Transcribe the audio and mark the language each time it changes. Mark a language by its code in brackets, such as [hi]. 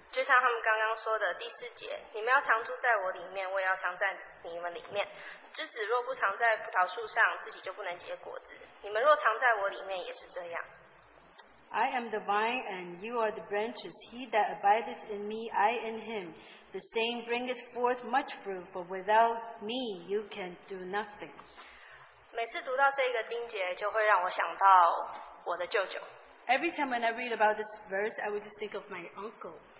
[zh] 就像他们刚刚说的第四节，你们要藏住在我里面，我也要藏在你们里面。枝子若不藏在葡萄树上，自己就不能结果子。你们若藏在我里面，也是这样。 [en] I am the vine and you are the branches. He that abideth in me, I in him. The same bringeth forth much fruit, for without me you can do nothing. [zh] 每次读到这个经节就会让我想到我的舅舅。 [en] Every time when I read about this verse, I would just think of my uncle.